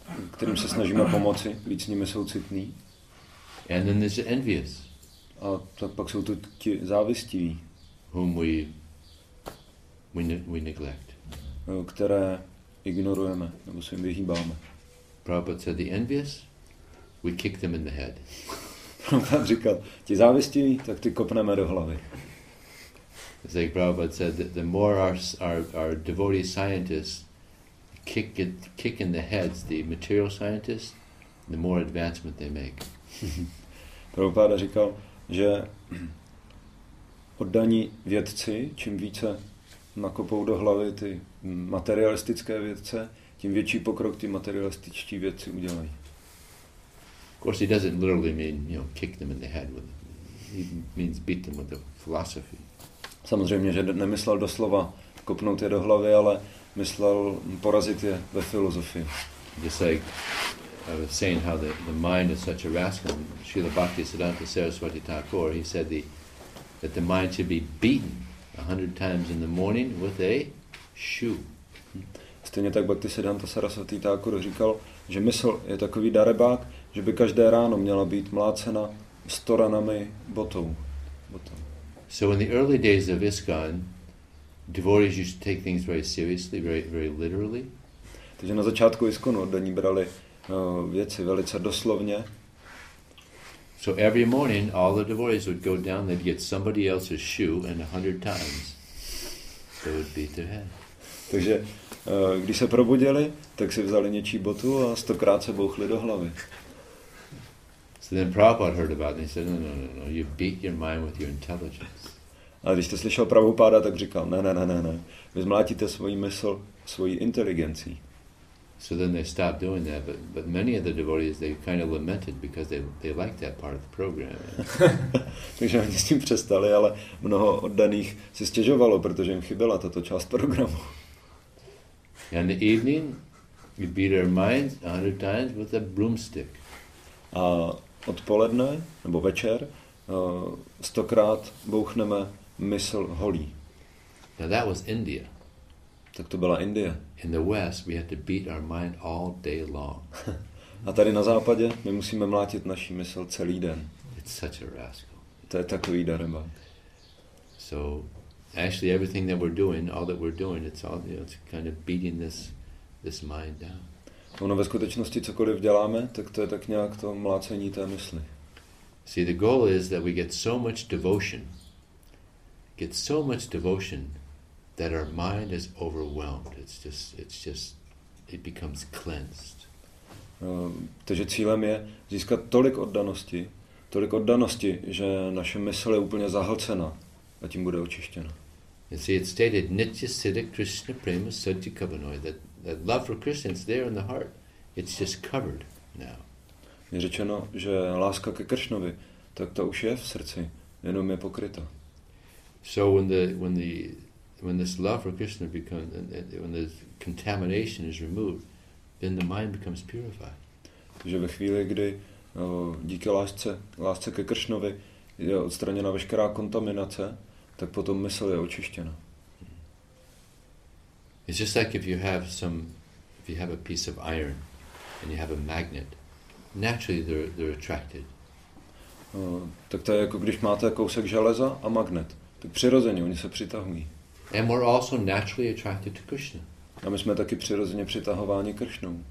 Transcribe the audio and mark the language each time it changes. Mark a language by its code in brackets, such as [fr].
[cs] kterým se snažíme pomoci, být s nimi soucitný. [en] And then there's the envious, [cs] a tak pak jsou tu ti závistiví, [en] whom we neglect, [cs] které ignorujeme nebo se jim vyhýbáme. [en] Prabhupada said the envious, we kick them in the head. [cs] Prabhupada říkal, ti závistiví, tak ty kopneme do hlavy. [en] It's like Prabhupada said that the more our devotee scientists kick in the heads the material scientists, the more advancement they make. [cs] Prabhupada říkal, že oddaní vědci, čím více nakopou do hlavy ty materialistické vědce, tím větší pokrok ty materialističtí vědci udělají. [en] Of course, he doesn't literally mean, you know, kick them in the head with it. He means beat them with the philosophy. [cs] Samozřejmě, že nemyslel doslova kopnout je do hlavy, ale myslel porazit je ve filozofii. [en] Just like I was saying how the mind is such a rascal. Srila Bhaktisiddhanta Saraswati Thakur, he said that the mind should be beaten 100 times in the morning with a shoe. [cs] Stejně tak Bhaktisiddhanta Saraswati Thakur říkal, že mysl je takový darebák, že by každé ráno měla být mlácena 100 ranami botou. [en] So in the early days of ISKCON, devotees used to take things very seriously, very, very literally. [cs] Takže na začátku ISKCONu oddaní brali věci velice doslovně. [en] So every morning, all the devotees would go down, they'd get somebody else's shoe, and 100 times they would beat their head. [cs] Takže když se probudili, tak si vzali něčí botu a 100krát se bouchli do hlavy. [en] So then Prabhupada heard about it and he said, no, you beat your mind with your intelligence. [cs] A když jste slyšel Prabhupada, tak říkal, ne, vy zmlátíte svoji mysl, svoji inteligencí. [en] So then they stopped doing that, but many of the devotees, they kind of lamented because they liked that part of the program. [cs] Takže oni s tím přestali, ale mnoho oddaných si stěžovalo, protože jim chyběla tato část programu. [en] And the evening, we beat their minds 100 times with a broomstick. [cs] A odpoledne, nebo večer, 100krát bouchneme mysl holí. [en] Now that was India. [cs] Tak to byla Indie. [en] In the West we had to beat our mind all day long. [cs] A tady na západě my musíme mlátit naši mysl celý den. [en] It's such a rascal. [cs] To je takový darema. [en] So actually everything that we're doing, all that we're doing, it's all, you know, it's kind of beating this mind down. [cs] Ono ve skutečnosti cokoliv děláme, tak to je tak nějak to mlácení té mysli. [en] See, the goal is that we get so much devotion that our mind is overwhelmed. It's just it becomes cleansed. [cs] Takže cílem je získat tolik oddanosti, že naše mysl je úplně zahlcena a tím bude očištěna. [en] And see, it's stated [sa] nitya siddha krishna prema sati kavanoi, [en] that love for Krishna is there in the heart. It's just covered now. [cs] Je řečeno, že láska ke Kršnovi, tak to už je v srdci, jenom je pokryta. [en] So when this love for Krishna becomes, when this contamination is removed, then the mind becomes purified. [cs] Takže ve chvíli, kdy díky lásce ke Kršnovi je odstraněna veškerá kontaminace, tak potom mysl je očištěna. [en] It's just like if you have a piece of iron and you have a magnet, naturally they're attracted. [cs] Tak to je jako když máte kousek železa a magnet, tak přirozeně oni se přitahují. [en] And we're also naturally attracted to Krishna. [cs] A my jsme taky přirozeně přitahováni Kršnou.